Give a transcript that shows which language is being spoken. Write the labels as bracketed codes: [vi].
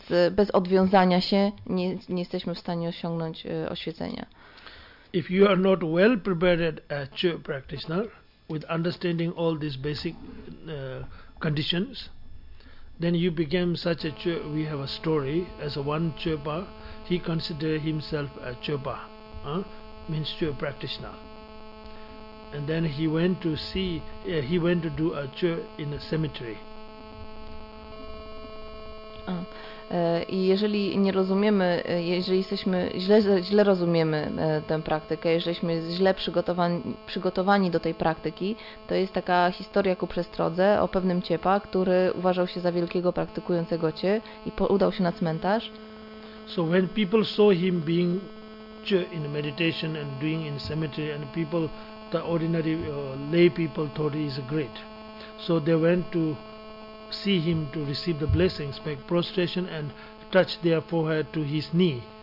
[pl] Bez odwiązania się nie jesteśmy w stanie osiągnąć oświecenia. [en] If you are not well prepared as a practitioner, with understanding all these basic conditions, then you became such a chopa. We have a story as a one chopa. He considered himself a chopa, means chopa practitioner. And then he went to see. He went to do a chopa in a cemetery. [pl] I jeżeli nie rozumiemy, jeżeli jesteśmy źle rozumiemy tę praktykę, jeżeli jesteśmy źle przygotowani do tej praktyki, to jest taka historia ku przestrodze o pewnym ciepa, który uważał się za wielkiego praktykującego cię i udał się na cmentarz. [en] So when people saw him being in meditation and doing in cemetery, and people, the ordinary lay people thought he is great, so they went to see him to receive the blessings, make prostration and touch their forehead to his knee.